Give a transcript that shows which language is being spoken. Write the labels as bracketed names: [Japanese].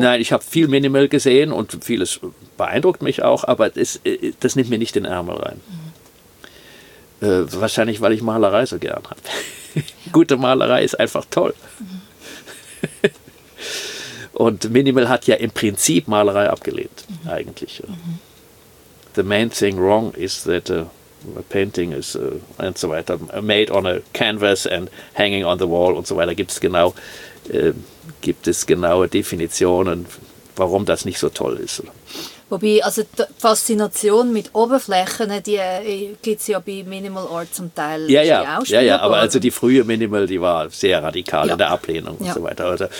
[German] Nein, ich habe viel Minimal gesehen und vieles beeindruckt mich auch, aber das nimmt mir nicht den Ärmel rein. Mhm. Wahrscheinlich, weil ich Malerei so gern habe. Ja. Gute Malerei ist einfach toll. Mhm. Und Minimal hat ja im Prinzip Malerei abgelehnt, mhm. eigentlich. Mhm. [English] The main thing wrong is that a painting is and so weiter, made on a canvas and hanging on the wall [German] und so weiter. Gibt es genaue Definitionen, warum das nicht so toll ist. Wobei, also die Faszination mit Oberflächen, die gibt es ja bei Minimal Art zum Teil. Ja, aber also die frühe Minimal, die war sehr radikal in der Ablehnung und so weiter.